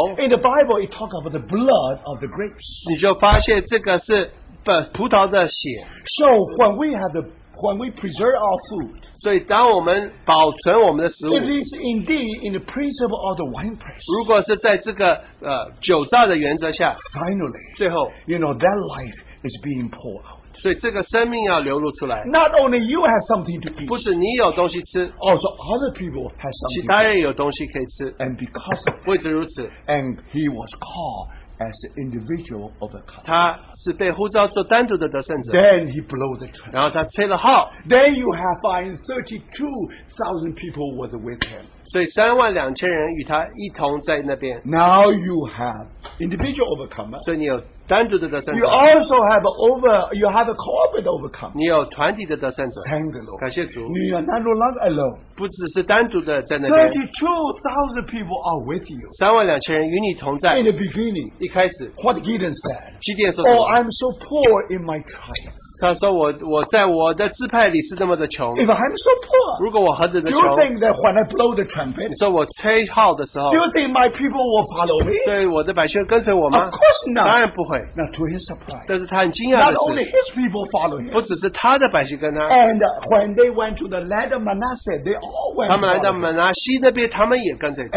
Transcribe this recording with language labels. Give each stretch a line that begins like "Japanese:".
English: in the Bible, it talks about the blood of the grapes.
Chinese: 你就发现这个是葡萄的血。
English: So when we have the, when we preserve our food,
Chinese: 所以当我们保存我们的食物,
English: it is indeed in the principle of the winepress.
Chinese: 如果是在这个酒榨的原则下,
English: finally,
Chinese: 最后,
English: you know, that life is being poured out.
Chinese: 所以这个生命要流露出来,
English: not only you have something to eat,
Chinese: 不是你有东西吃,
English: also other people have something to eat,
Chinese: 其他人有东西可以吃,
English: and because of
Chinese: 为此如此,
English: and he was called as an individual overcomer.
Chinese: 他是被呼召做单独的得胜者。
English: Then he blew the trumpet.
Chinese: 然后他吹了号。
English: Then you have find 32,000 people was with him.
Chinese: 所以32,000人与他一同在那边。
English: Now you have individual overcomer.
Chinese: 所以你有
English: You also have you have a corporate overcome.
Chinese: 你有团体的得胜者,
English: thank you, Lord.
Chinese: 感谢主,
English: you are not no longer alone.
Chinese: 不只是单独的在那边,
English: 32,000 people are with you.
Chinese: 32,000人与你同在,
English: in the beginning,
Chinese: 一开始,
English: what Gideon said,
Chinese: 基甸说什么?
English: Oh, I'm so poor in my tribe.
Chinese: 他说我在我的支派里是这么的穷。
English: If I'm so poor,
Chinese: 如果我何止的穷,
English: do you think that when I blow the trumpet,
Chinese: 你说我吹号的时候,
English: do you think my people will follow me?
Chinese: 对我的百姓跟随我吗?
English: Of course not.
Chinese: 当然不会。
English: Now to his surprise,
Chinese: 但是他很惊讶的是,
English: not only his people follow him,
Chinese: 不只是他的百姓跟他,
English: and when they went to the land of Manasseh, they all went.
Chinese: 他们来到马拿西那边, 他们也跟随他,